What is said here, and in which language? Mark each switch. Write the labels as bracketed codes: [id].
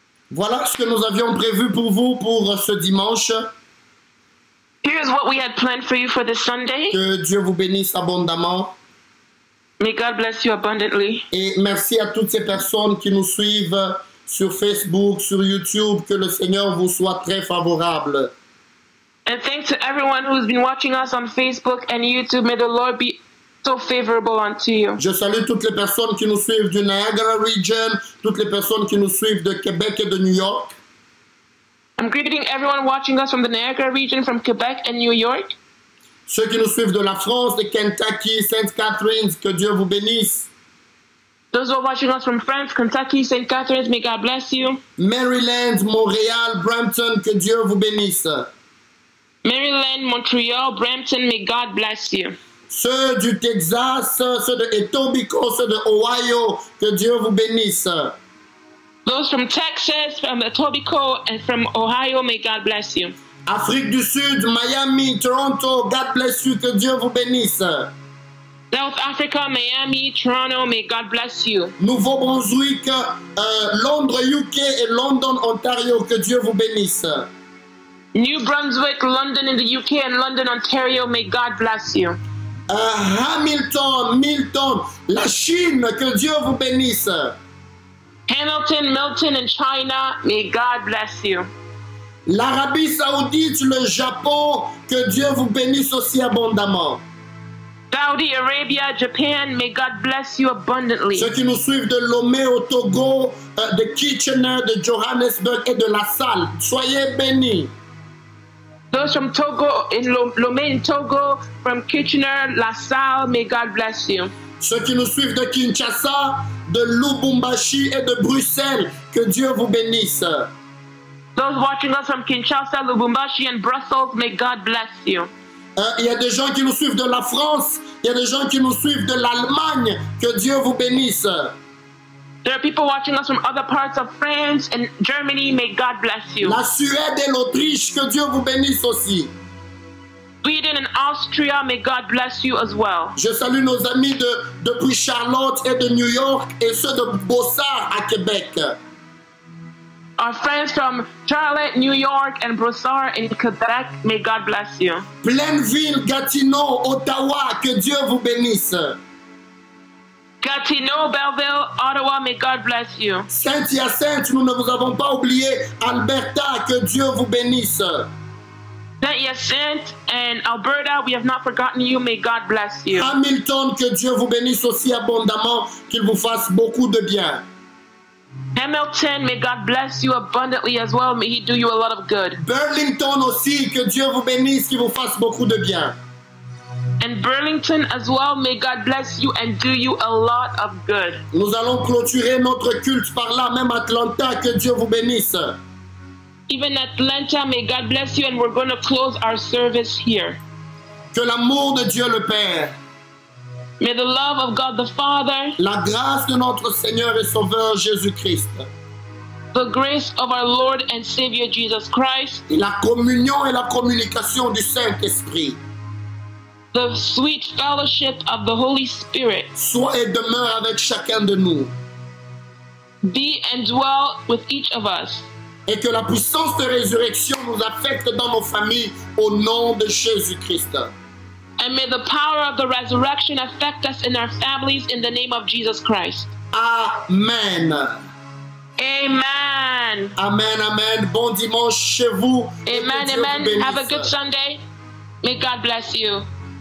[fr] Voilà ce que nous avions prévu pour vous pour ce dimanche. [en] Here's what we had planned for you for this Sunday. [fr] Que Dieu vous bénisse abondamment. [en] May God bless you abundantly. [fr] Et merci à toutes ces personnes qui nous suivent sur Facebook, sur YouTube. Que le Seigneur vous soit très favorable. [en] And thanks to everyone who's been watching us on Facebook and YouTube. May the Lord be so favorable unto you. [fr] Je salue toutes les personnes qui nous suivent du Niagara region, toutes les personnes qui nous suivent de Québec et de New York. [en] I'm greeting everyone watching us from the Niagara region, from Quebec and New York. [fr] Ceux qui nous suivent de la France, de Kentucky, Saint Catharines, que Dieu vous bénisse. [en] Those who are watching us from France, Kentucky, Saint Catharines, may God bless you. [fr] Maryland, Montreal, Brampton, que Dieu vous bénisse. [en] Maryland, Montreal, Brampton, may God bless you. [fr] Ceux du Texas, ceux de Etobicoke, ceux de Ohio, que Dieu vous bénisse. [en] Those from Texas, from Etobicoke, and from Ohio, may God bless you. [fr] Afrique du Sud, Miami, Toronto, God bless you, que Dieu vous bénisse. [en] South Africa, Miami, Toronto, may God bless you. [fr] Nouveau-Brunswick, Londres, UK, et London, Ontario, que Dieu vous bénisse. [en] New Brunswick, London in the UK, and London, Ontario, may God bless you. [fr] Hamilton, la Chine, que Dieu vous bénisse. [en] Hamilton, Milton and China, may God bless you. [fr] L'Arabie Saoudite, le Japon, que Dieu vous bénisse aussi abondamment. [en] Saudi Arabia, Japan, may God bless you abundantly. [fr] Ceux qui nous suivent de Lomé au Togo, de Kitchener, de Johannesburg et de La Salle, soyez bénis. [en] Those from Togo, in Lomé in Togo, from Kitchener, La Salle, may God bless you. [fr] Ceux qui nous suivent de Kinshasa, de Lubumbashi et de Bruxelles, que Dieu vous bénisse. [en] Those watching us from Kinshasa, Lubumbashi and Brussels, may God bless you. [fr] Il y a des gens qui nous suivent de la France, il y a des gens qui nous suivent de l'Allemagne, que Dieu vous bénisse. [en] There are people watching us from other parts of France and Germany, may God bless you. [fr] La Suède et l'Autriche, que Dieu vous bénisse aussi. [en] Sweden and Austria, may God bless you as well. [fr] Je salue nos amis depuis Charlotte et de New York et ceux de Beaussard à Québec. [en] Our friends from Charlotte, New York, and Broussard in Quebec, may God bless you. [fr] Plainville, Gatineau, Ottawa, que Dieu vous bénisse. [en] Gatineau, Belleville, Ottawa, may God bless you. [fr] Saint-Hyacinthe, nous ne vous avons pas oublié. Alberta, que Dieu vous bénisse. [en] Saint-Hyacinthe and Alberta, we have not forgotten you. May God bless you. [fr] Hamilton, que Dieu vous bénisse aussi abondamment, qu'il vous fasse beaucoup de bien. [en] Hamilton, may God bless you abundantly as well. May he do you a lot of good. [fr] Burlington aussi, que Dieu vous bénisse, qu'il vous fasse beaucoup de bien. [en] And Burlington as well, may God bless you and do you a lot of good. [fr] Nous allons clôturer notre culte par là, même Atlanta, que Dieu vous bénisse. [en] Even Atlanta, may God bless you and we're going to close our service here. [fr] Que l'amour de Dieu le Père. [en] May the love of God the Father, [fr] la grâce de notre Seigneur et Sauveur Jésus Christ, [en] the grace of our Lord and Savior Jesus Christ, [fr] et la communion et la communication du Saint-Esprit, [en] the sweet fellowship of the Holy Spirit, [fr] soit et demeure avec chacun de nous, [en] be and dwell with each of us, [fr] et que la puissance de résurrection nous affecte dans nos familles au nom de Jésus Christ. [en] And may the power of the resurrection affect us in our families in the name of Jesus Christ. Amen. Amen. [fr] Amen, amen. Bon dimanche chez vous. [en] Amen, amen. Have a good Sunday. May God bless you.